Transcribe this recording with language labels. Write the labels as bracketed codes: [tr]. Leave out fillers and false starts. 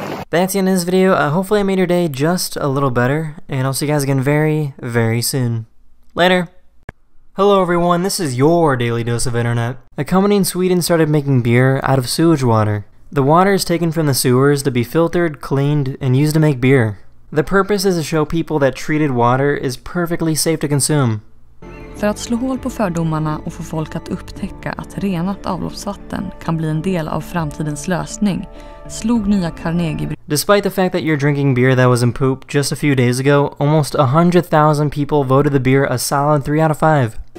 [en] That's the end of this video. Hopefully I made your day just a little better, and I'll see you guys again very, very soon. Later! Hello everyone, this is your Daily Dose of Internet. A company in Sweden started making beer out of sewage water. The water is taken from the sewers to be filtered, cleaned, and used to make beer. The purpose is to show people that treated water is perfectly safe to consume. [sv] För att slå hål på fördomarna och få folk att upptäcka att renat avloppsvatten kan bli en del av framtidens lösning, slog nya Carnegie. [en] Despite the fact that you're drinking beer that was in poop just a few days ago, almost 100,000 people voted the beer a solid 3 out of 5.